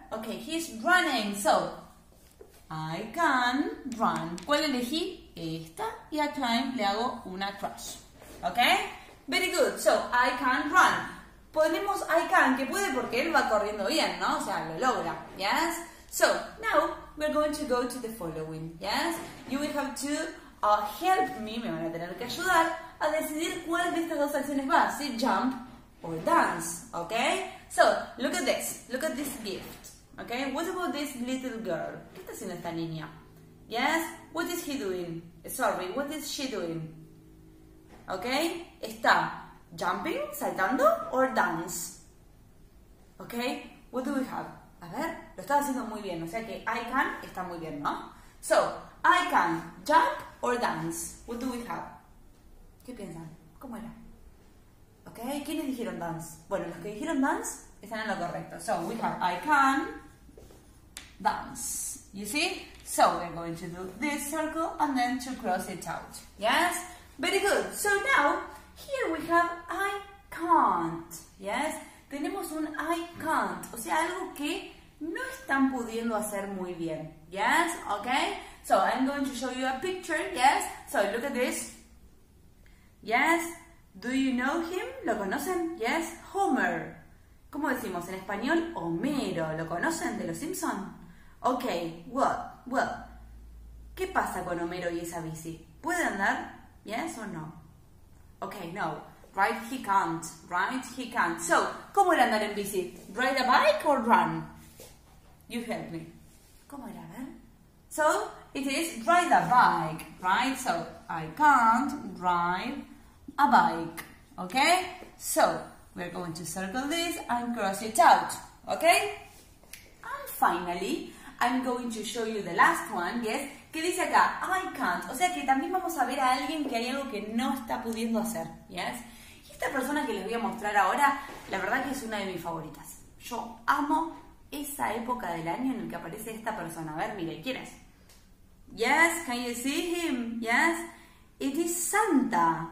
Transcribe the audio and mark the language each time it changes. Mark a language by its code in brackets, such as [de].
[en] Ok, he's running. So, I can run. [es] ¿Cuál elegí? Esta. Y a climb le hago una crush. ¿Ok? [en] Very good. So, I can run. [es] Ponemos I can, que puede porque él va corriendo bien, ¿no? O sea, lo logra. ¿Yes? [en] So, now we're going to go to the following. ¿Yes? You will have to help me, [es] me van a tener que ayudar, a decidir cuál de estas dos acciones va. ¿Sí? [en] Jump or dance. ¿Ok? So, look at this. Look at this gift. ¿Ok? What about this little girl? [es] ¿Qué está haciendo esta niña? [en] Yes? What is he doing? Sorry, what is she doing? ¿Ok? ¿Está jumping, saltando, or dance? ¿Ok? What do we have? [es] A ver, lo está haciendo muy bien. O sea que I can está muy bien, ¿no? [en] So, I can jump or dance. What do we have? [es] ¿Qué piensan? ¿Cómo era? [en] ¿Ok? [es] ¿Quiénes dijeron dance? Bueno, los que dijeron dance están en lo correcto. [en] So, we have I can dance. You see? So, we're going to do this circle and then to cross it out. Yes? Very good. So, now, here we have I can't. Yes? [es] Tenemos un I can't. O sea, algo que no están pudiendo hacer muy bien. Yes? Okay? [en] So I'm going to show you a picture, yes? So look at this. Yes, do you know him? [es] ¿Lo conocen? Yes, Homer. ¿Cómo decimos en español? Homero. ¿Lo conocen de los Simpson? Okay, well. ¿Qué pasa con Homero y esa bici? ¿Puede andar? [en] Yes or no? Okay, no. Right, he can't. Right, he can't. [es] So, ¿cómo era andar en bici? [en] ¿Ride a bike or run? You help me. [es] ¿Cómo era, a ver? [en] So, it is ride a bike, right? So, I can't ride a bike, okay? So, we're going to circle this and cross it out, okay? And finally, I'm going to show you the last one, yes? [es] Que dice acá, I can't. O sea que también vamos a ver a alguien que hay algo que no está pudiendo hacer, yes? Y esta persona que les voy a mostrar ahora, la verdad que es una de mis favoritas. Yo amo esa época del año en el que aparece esta persona. A ver, mire, ¿quién es? [en] Yes, can you see him? Yes, it is Santa.